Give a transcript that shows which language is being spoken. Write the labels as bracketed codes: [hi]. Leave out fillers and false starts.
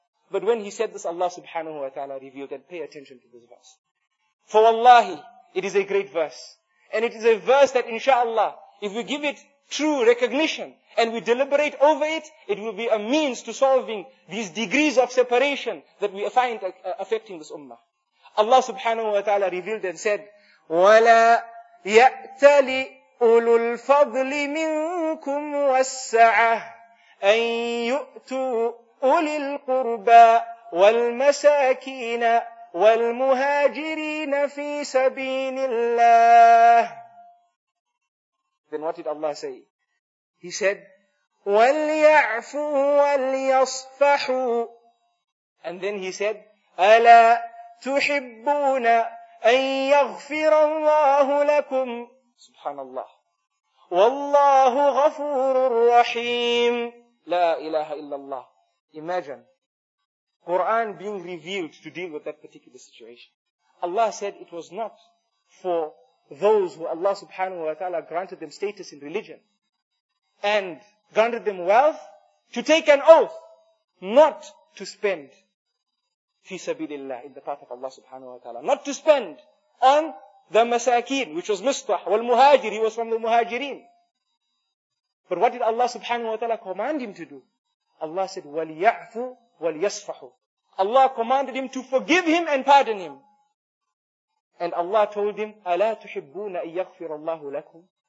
[en] But when he said this, Allah subhanahu wa ta'ala revealed and pay attention to this verse. For Wallahi, it is a great verse. And it is a verse that inshallah, if we give it true recognition and we deliberate over it, it will be a means to solving these degrees of separation that we find affecting this ummah. Allah subhanahu wa ta'ala revealed and said, [ar] وَلَا يَأْتَلِ أُولُو الْفَضْلِ مِنْكُمْ وَالسَّعَةِ أَنْ يُؤْتُوا أُولِي الْقُرْبَى وَالْمَسَاكِينَ وَالْمُهَاجِرِينَ فِي سَبِيلِ اللَّهِ. [en] Then what did Allah say? He said, [ar] وَلْيَعْفُوا وَلْيَصْفَحُوا. [en] And then he said, [ar] أَلَا تُحِبُّونَ أَن يَغْفِرَ اللَّهُ لَكُمْ. Subhanallah. وَاللَّهُ غَفُورٌ رَّحِيمٌ. لا إله إلا الله. [en] Imagine. Quran being revealed to deal with that particular situation. Allah said it was not for those who Allah subhanahu wa ta'ala granted them status in religion and granted them wealth to take an oath not to spend fi sabilillah in the path of Allah subhanahu wa ta'ala. Not to spend on the masakeen, which was Mustah, wal muhajir, he was from the muhajirin. But what did Allah subhanahu wa ta'ala command him to do? Allah said, [ar] وَلْيَعْفُ وَلْيَصْفَحُ. [en] Allah commanded him to forgive him and pardon him. And Allah told him, [ar] أَلَا تُحِبُّونَ أَن يَغْفِرَ اللَّهُ لَكُمْ.